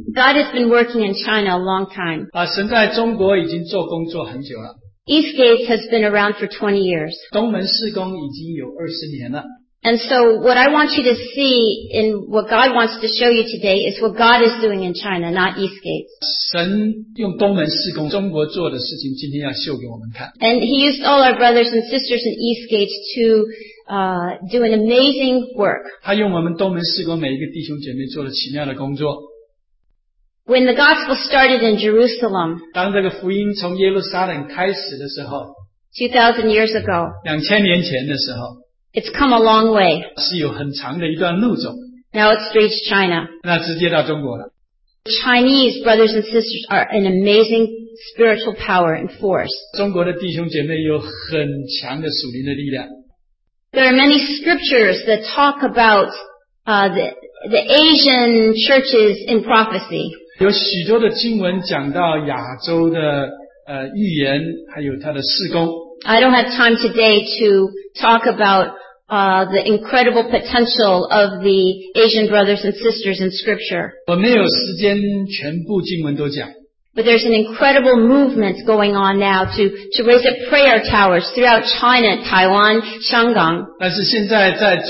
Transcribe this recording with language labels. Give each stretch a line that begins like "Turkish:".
English: God has been working in China a long time.
Chinese: 神在中国已经做工作很久了。
English: East Gate has been around for 20 years.
Chinese: 东门市工已经有20年了。
English: And so what I want you to see in what God wants to show you today is what God is doing in China, not East Gate.
Chinese: 神用东门市工中国做的事情今天要秀给我们看。
English: And he used all our brothers and sisters in East Gate to do an amazing work.
Chinese: 他用我们东门市工每一个弟兄姐妹做了奇妙的工作。
English: When the gospel started in Jerusalem,
Chinese: 当这个福音从耶路撒冷开始的时候,
English: 2,000 years ago,
Chinese: 2,000年前的时候,
English: it's come a long way.
Chinese: 是有很长的一段路走,
English: now it's reached China.
Chinese: 那直接到中国了。
English: Chinese brothers and sisters are an amazing spiritual power and force.
Chinese: 中国的弟兄姐妹有很强的属灵的力量。
English: There are many scriptures that talk about the Asian churches in prophecy.
Chinese: 有许多的经文讲到亚洲的预言，还有他的事工。
English: I don't have time today to talk about the incredible potential of the Asian brothers and sisters in Scripture.
Chinese: 我没有时间全部经文都讲。
English: But there's an incredible movement going on now to raise up prayer towers throughout China, Taiwan, Shanghai.